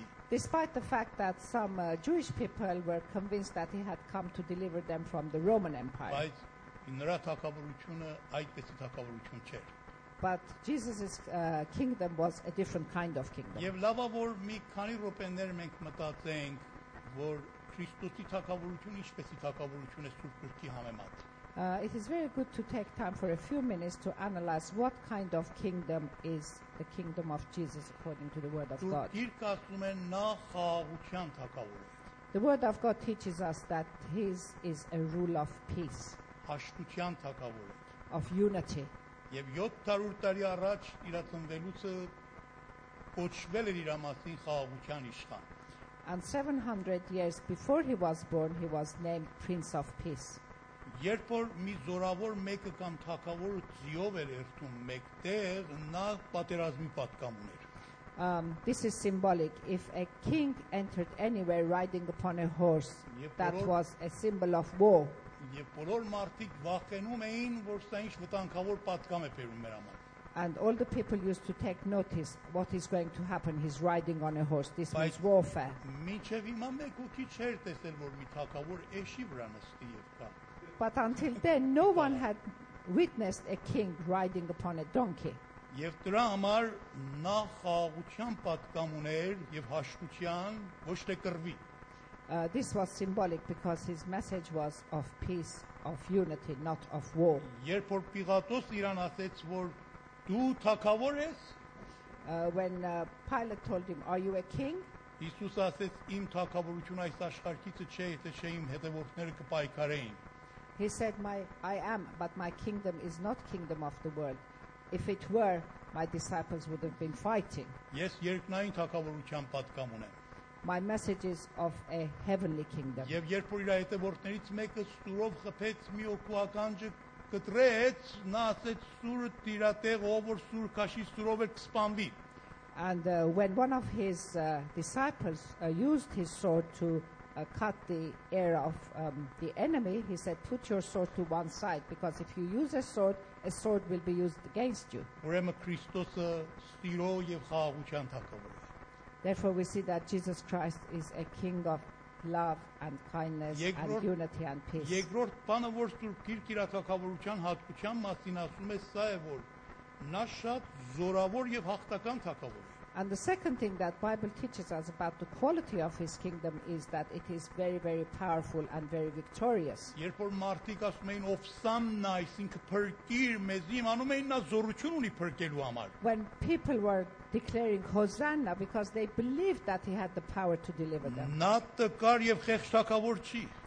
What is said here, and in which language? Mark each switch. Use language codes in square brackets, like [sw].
[en] Despite the fact that some Jewish people were convinced that he had come to deliver them from the Roman Empire. [hy] Նրա թակավորությունը այդպեսի թակավորություն չէր. [en] But Jesus's kingdom was a different kind of kingdom. [hy] Եվ լավա որ մի քանի րոպեներ մենք մտածենք, որ Քրիստոսի թակավորությունը ինչպեսի թակավորություն է Սուրբ Գրքի համեմատ. [en] It is very good to take time for a few minutes to analyze what kind of kingdom is the kingdom of Jesus according to the word of God. [hy] Գիրքը ասում է նա խաղաղության թակավոր է. [en] The word of God teaches us that his is a rule of peace. [hy] Աշխության թակավոր է. [en] Of unity. [hy] Եվ 700 տարի առաջ իրացնվելուցը կոչվել էր իր մասին խաղաղության իշխան. [en] And 700 years before he was born, he was named Prince of Peace. [hy] Երբ որ մի զորավոր մեկը կամ թակավոր ձիով էր երթում մեկտեղ, նա պատերազմի պատկան ուներ. [en] This is symbolic. If a king entered anywhere riding upon a horse, that was a symbol of war. [hy] Եվ բոլոր մարդիկ վախենում էին, որ սա ինչ վտանգավոր պատկամ է բերում մեր համար. [en] And all the people used to take notice what is going to happen. He's riding on a horse. This means warfare. [hy] Մինչև հիմա մեկ ու քիչ չէր տեսել, որ մի թագավոր էշի վրա նստի եւ կա. [en] But until then no one had witnessed a king riding upon a donkey. [hy] Եվ դրա համար նա խաղաղության պատկամ ուներ եւ հաշտության, ոչ թե կռվի. [en] This was symbolic because his message was of peace, of unity, not of war. [hy] Երբ որ Պիլատոս իրան ասեց, որ դու թագավոր ես, [en] when Pilate told him, are you a king? [hy] Հիսուս ասեց, իմ թագավորությունը այս աշխարհիցը չէ, եթե չէ իմ հետևորդները կպայքարեին. [en] He said, I am, but my kingdom is not kingdom of the world. If it were, my disciples would have been fighting. [hy] Ես երկնային թագավորության պատկամ ունեմ. [en] My message is of a heavenly kingdom. [hy] Եվ երբ որ իր հետևորդներից մեկը սուրով խփեց մի օկու ականջը կտրեց, նա ասեց սուրը դիրատեղ ով որ սուր քաշի սուրով է կսպանվի. [en] And when one of his disciples used his sword to cut the ear of the enemy, he said, put your sword to one side, because if you use a sword will be used against you. [hy] Ուրեմն Քրիստոսը սիրո եւ խաղաղության թակավոր է. [en] Therefore, we see that Jesus Christ is a king of love and kindness and unity and peace. [hy] Երկրորդ բանը, որ Սուրբ Գիրքի իրաթակավորության հատկության մասին ասում է, սա է, որ նա շատ զորավոր եւ հաղթական թակավոր է. [en] And the second thing that Bible teaches us about the quality of his kingdom is that it is very, very powerful and very victorious. [hy] Երբ որ մարդիկ ասում էին Օֆսամնա, այսինքն փրկիր մեզի, իմանում էին նա զորություն ունի փրկելու համար. [en] When people were declaring Hosanna because they believed that he had the power to deliver them. [hy] Նա տկար եւ խեղճ թագավոր չի.